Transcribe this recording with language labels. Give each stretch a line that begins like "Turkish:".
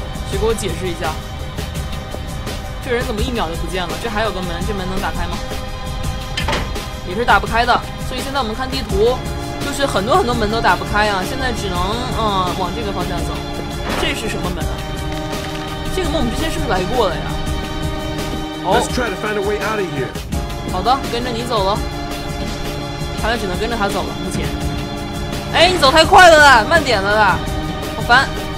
Chinese: 谁给我解释一下，这人怎么一秒就不见了？这还有个门，这门能打开吗？也是打不开的。所以现在我们看地图，就是很多很多门都打不开啊。现在只能往这个方向走。这是什么门啊？这个门我们之前是不是来过了呀？
English: Let's try to find a way out of here.
Chinese: 好的，跟着你走了。看来只能跟着他走了，目前。你走太快了啦，慢点了啦，好烦。